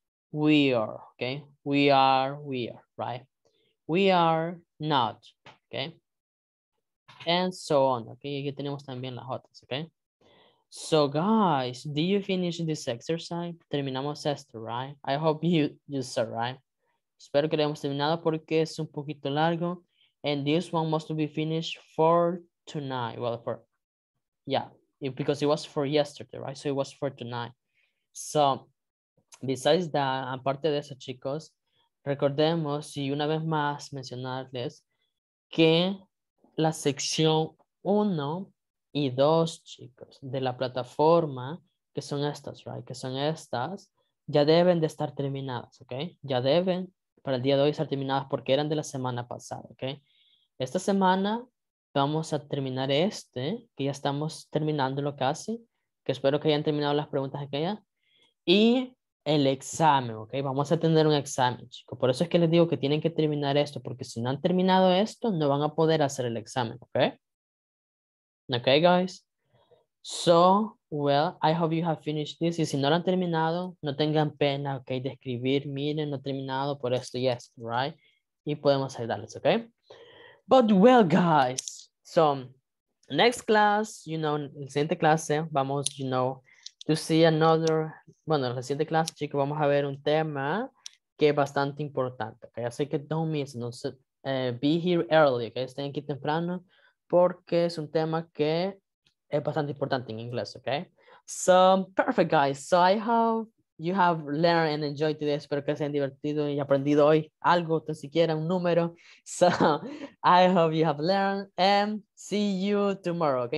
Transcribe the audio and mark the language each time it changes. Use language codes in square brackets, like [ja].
[en] We are, ¿ok? We are, right? We are not, ¿ok? And so on, okay? [es] Aquí tenemos también las otras, [en] okay? So guys, do you finish this exercise? [es] Terminamos esto, [en] right? I hope you saw, right? [es] Espero que lo hayamos terminado porque es un poquito largo. [en] And this one must be finished for tonight. Well, for, yeah, because it was for yesterday, right? So it was for tonight. So besides that, [es] aparte de eso, chicos, recordemos y una vez más mencionarles que la sección 1 y 2, chicos, de la plataforma, que son estas, right? Que son estas, ya deben de estar terminadas, ¿ok? Ya deben, para el día de hoy, estar terminadas porque eran de la semana pasada, ¿ok? Esta semana vamos a terminar este, que ya estamos terminándolo casi, que espero que hayan terminado las preguntas aquella, y el examen, ¿ok? Vamos a tener un examen, chicos. Por eso es que les digo que tienen que terminar esto, porque si no han terminado esto, no van a poder hacer el examen, ¿ok? [en] ¿Ok, guys? So, well, I hope you have finished this. [es] Y si no lo han terminado, no tengan pena, ¿ok? De escribir, miren, no he terminado por esto, yes, right? Y podemos ayudarles, ¿ok? [en] But, well, guys, so, next class, you know, [es] el siguiente clase, vamos, [en] you know, to see another, [es] bueno, en la siguiente clase, chicos, vamos a ver un tema que es bastante importante, ¿ok? [en] Así que don't miss, [es] no sé, [en] be here early, ¿ok? [es] Estén aquí temprano porque es un tema que es bastante importante en inglés, ¿ok? [en] So, perfect, guys. So, I hope you have learned and enjoyed today. [es] Espero que se hayan divertido y aprendido hoy algo, tan siquiera un número. [en] So, I hope you have learned and see you tomorrow, ¿ok?